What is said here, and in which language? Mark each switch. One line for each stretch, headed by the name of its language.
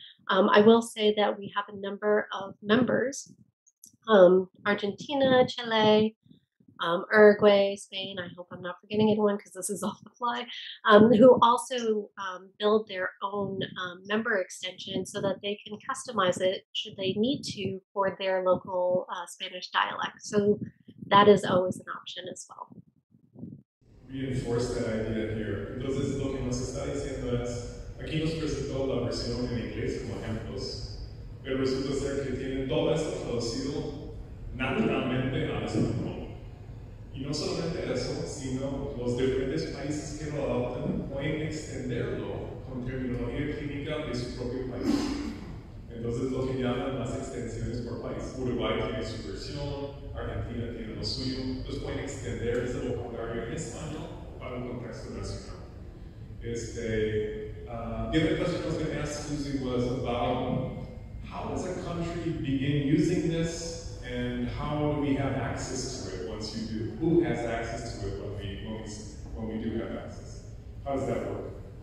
English: I will say that we have a number of members, Argentina, Chile, Uruguay, Spain, I hope I'm not forgetting anyone because this is off the fly, who also build their own member extension so that they can customize it should they need to for their local Spanish dialect. So that is always an option as well. Reinforce that idea here.
Spanish: Entonces, lo que nos está diciendo es, aquí nos presentó la versión en inglés como ejemplos, pero resulta ser que tienen todo esto traducido naturalmente al español. Y no solamente eso, sino los diferentes países que lo adoptan pueden extenderlo con terminología clínica de su propio país. Entonces, lo que llaman las extensiones por país. Uruguay tiene su versión, Argentina tiene lo suyo. Entonces, pueden extender ese vocabulario en español para un contexto nacional.
English: The other question I was going to ask Susie was about how does a country begin using this and how do we have access to it once you do? Who has access to it when we do have access? How does that work?